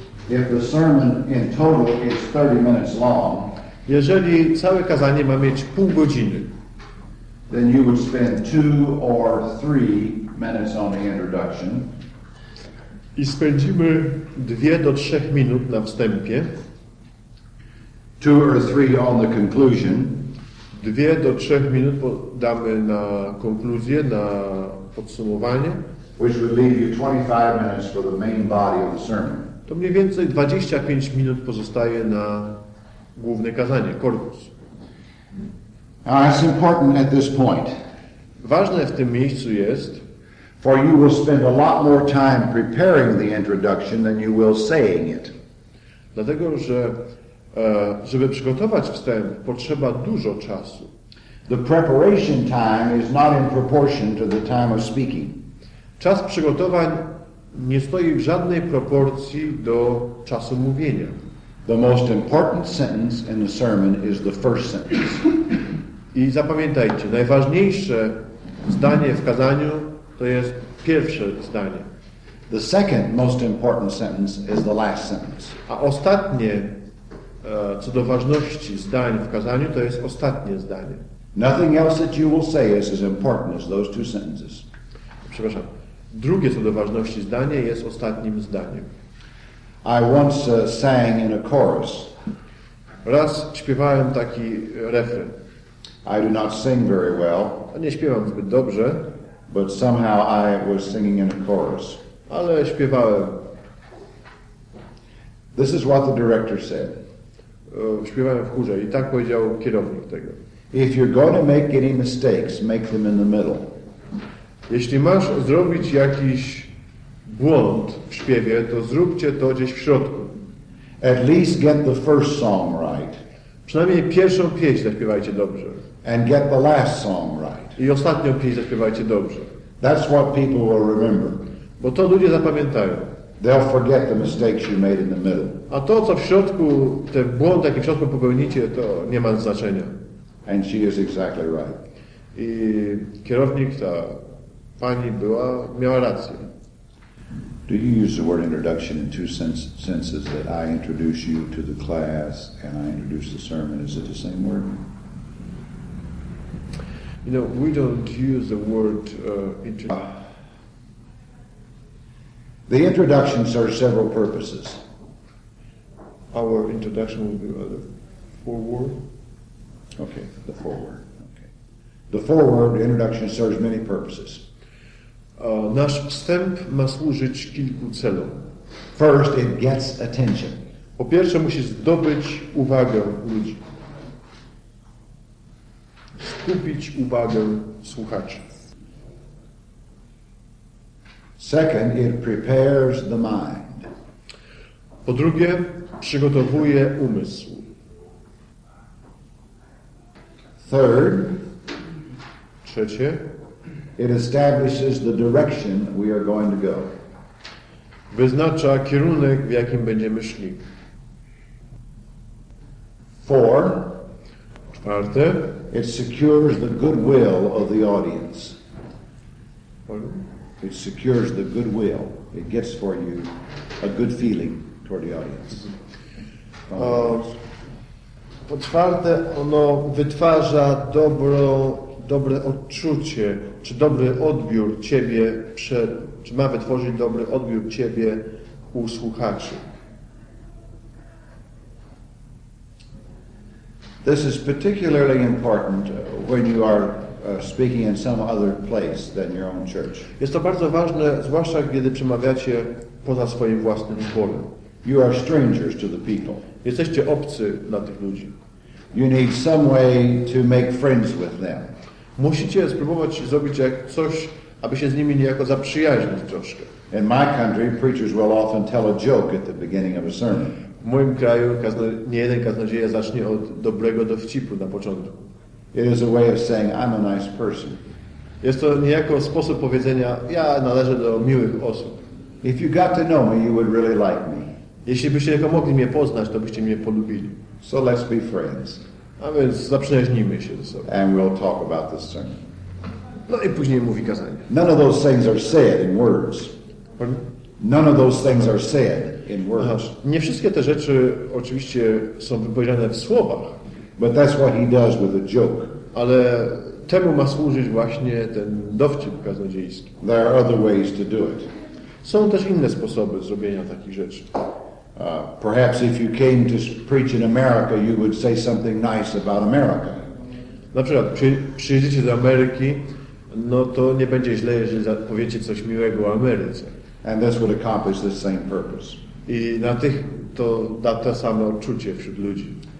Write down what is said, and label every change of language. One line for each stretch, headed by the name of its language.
English: If the sermon in total is 30 minutes long,
Polish: jeżeli całe kazanie ma mieć pół godziny,
English: then you would spend 2 or 3 minutes on the introduction.
Polish: I spędzimy 2 do 3 minut na wstępie.
English: 2 or 3 on the conclusion.
Polish: 2 do 3 minut damy na konkluzję, na podsumowanie.
English: Which would leave you 25 minutes for the main body of the sermon.
Polish: To mniej więcej 25 minut pozostaje na główne kazanie, korpus.
English: It's important at this point.
Polish: Ważne w tym miejscu jest,
English: for you will spend a lot more time preparing the introduction than you will saying it.
Polish: Dlatego, że Żeby przygotować wstęp, potrzeba dużo czasu.
English: The preparation time is not in proportion to the time of speaking.
Polish: Czas przygotowań nie stoi w żadnej proporcji do czasu mówienia.
English: The most important sentence in the sermon is the first sentence.
Polish: I zapamiętajcie, najważniejsze zdanie w kazaniu to jest pierwsze zdanie.
English: The second most important sentence is the last sentence.
Polish: A ostatnie, co do ważności zdań w kazaniu, to jest ostatnie zdanie.
English: Nothing else that you will say is as important as those two sentences.
Polish: Przepraszam. Drugie co do ważności zdanie jest ostatnim zdaniem.
English: I once sang in a chorus.
Polish: Raz śpiewałem taki refren.
English: I do not sing very well.
Polish: Nie śpiewam zbyt dobrze.
English: But somehow I was singing in a chorus.
Polish: Ale śpiewałem.
English: This is what the director said.
Polish: Śpiewałem w chórze i tak powiedział kierownik tego.
English: If you're going to make any mistakes, make them in the middle.
Polish: Jeśli masz zrobić jakiś błąd w śpiewie, to zróbcie to gdzieś w środku.
English: At least get the first song right.
Polish: Przynajmniej pierwszą pieśń zaśpiewajcie dobrze.
English: And get the last song right.
Polish: I ostatnią pieśń zaśpiewajcie dobrze.
English: That's what people will remember.
Polish: Bo to ludzie zapamiętają.
English: They'll forget the mistakes you made in the middle.
Polish: A to, co w środku, ten błąd, jaki w środku popełnicie, to nie ma znaczenia.
English: And she is exactly right.
Polish: I kierownik, ta pani była, miała rację.
English: Do you use the word introduction in two senses, that I introduce you to the class and I introduce the sermon? Is it the same word? You know, we don't use the word introduction. The introduction serves several purposes. Our introduction will be the foreword. Okay, the foreword. Okay. The foreword introduction serves many purposes.
Polish: Nasz wstęp ma służyć kilku celom.
English: First, it gets attention.
Polish: Po pierwsze, musi zdobyć uwagę ludzi. Skupić uwagę słuchaczy.
English: Second, it prepares the mind.
Polish: Po drugie, przygotowuje umysł.
English: Third,
Polish: trzecie,
English: it establishes the direction we are going to go.
Polish: Wyznacza kierunek, w jakim będziemy szli.
English: Four,
Polish: czwarte,
English: it secures the goodwill of the audience. Pardon? It secures the goodwill. It gets for you a good feeling toward the audience.
Polish: Po czwarte, ono wytwarza dobre odczucie, czy dobry odbiór ciebie, czy ma wytworzyć dobry odbiór ciebie u słuchaczy.
English: This is particularly important when you are speaking in some other place than your own church.
Polish: Jest to bardzo ważne, zwłaszcza kiedy przemawiacie poza swoim własnym zborem.
English: You are strangers to the people.
Polish: Jesteście obcy dla tych ludzi.
English: You need some way to make friends with them.
Polish: Musicie spróbować zrobić jak coś, aby się z nimi niejako zaprzyjaźnić troszkę.
English: In my country, preachers will often tell a joke at the beginning of a sermon.
Polish: W moim kraju nie jeden kaznodzieja zacznie od dobrego dowcipu na początku.
English: It is a way of saying, I'm a nice person.
Polish: Jest to niejako sposób powiedzenia, ja należę do miłych osób.
English: If you got to know me, you would really like me.
Polish: Jeśli byście tylko mogli mnie poznać, to byście mnie polubili.
English: So let's be friends.
Polish: A więc zaprzyjaźnijmy się ze sobą.
English: And we'll talk about this sermon.
Polish: No i później mówi kazanie.
English: None of those things are said in words. Pardon? None of those things are said in words. Aha.
Polish: Nie wszystkie te rzeczy oczywiście są wypowiedziane w słowach.
English: But that's what he does with a joke.
Polish: Ale temu ma służyć właśnie ten dowcip kaznodziejski.
English: There are other ways to do it.
Polish: Są też inne sposoby zrobienia takich rzeczy.
English: Perhaps if you came to preach in America, you would say something nice about America.
Polish: Na przykład, przyjedziecie do Ameryki, no to nie będzie źle, jeżeli powiecie coś miłego o Ameryce.
English: And this would accomplish the same purpose.
Polish: I na tych to da to samo odczucie wśród ludzi.